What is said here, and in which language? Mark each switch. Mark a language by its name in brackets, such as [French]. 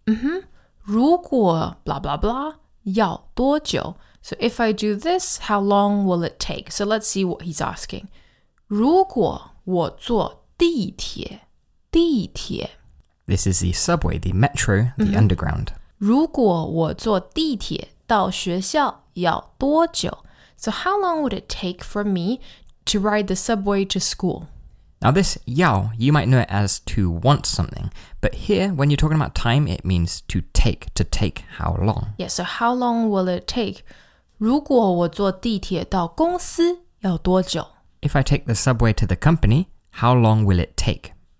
[Chinese] Mm-hmm. 如果 [English] blah blah blah, [Chinese] 要多久? [English] So if I do this, how long will it take? So let's see what he's asking. [Chinese] 如果我坐地铁 [English] This is the subway, the metro, the underground. [Chinese] 如果我坐地铁到学校要多久? [English] So how long would it take for me to ride the subway to school? Now this 要, you might know it as to want something, but here, when you're talking about time, it means to take how long. Yeah, so how long will it take? [Chinese] 如果我坐地铁到公司要多久? [English] If I take the subway to the company, how long will it take?